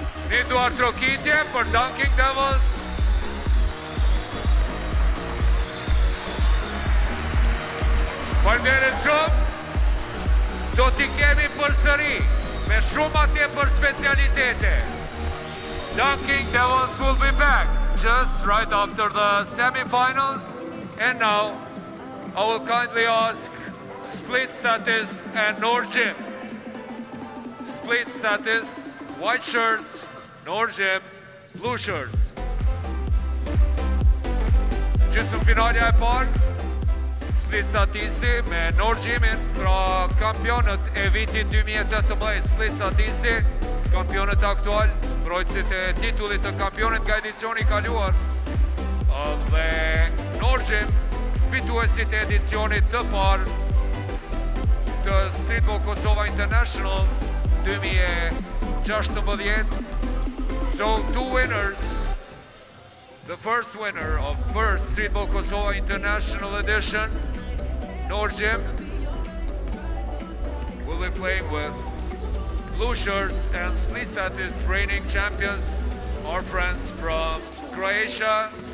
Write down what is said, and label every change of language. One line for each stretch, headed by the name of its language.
Albanian: Një duar trokitje për Dunkin' Devils. Falderit shumë. Do t'i kemi për sëri me shumë atje për specialitete.
English: Dunkin' Devils will be back just right after the semifinals. And now I will kindly ask Split Status and Nord Gym. Split Status, white shirts, Nord Gym, blue shirts.
Albanian: Gjysmë finalja e parë, Split Statisti me Nord Gymin, pra kampionët e vitit 2018, Split Statisti, kampionët aktual, mbrojtësit e titullit të kampionit nga edicioni kaluar, dhe Nord Gym, fituesit e edicionit të parë të Streetball Kosova International 2016.
English: So two winners, the first winner of first Streetball Kosova International Edition, Nord Gym, will be playing with blue shirts and Split Status reigning champions, our friends from Croatia.